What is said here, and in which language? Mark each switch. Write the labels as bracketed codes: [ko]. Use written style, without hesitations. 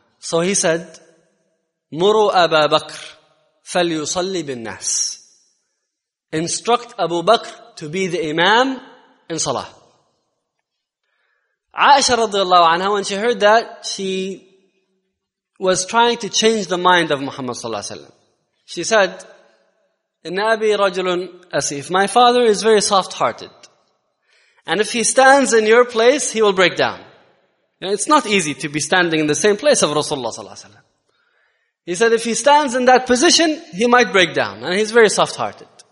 [en] So he said, [ar] "Muru Abu Bakr, falyusalli bin-nas." [en] Instruct Abu Bakr to be the imam in Salah. Aisha radiallahu anha, when she heard that, she was trying to change the mind of Muhammad sallallahu alaihi wasallam. She said, [ar] إِنَّ أَبِي رَجُلٌ أَسِيفٌ. [en] My father is very soft-hearted. And if he stands in your place, he will break down. And it's not easy to be standing in the same place of Rasulullah sallallahu alaihi wasallam. He said, if he stands in that position, he might break down. And he's very soft-hearted.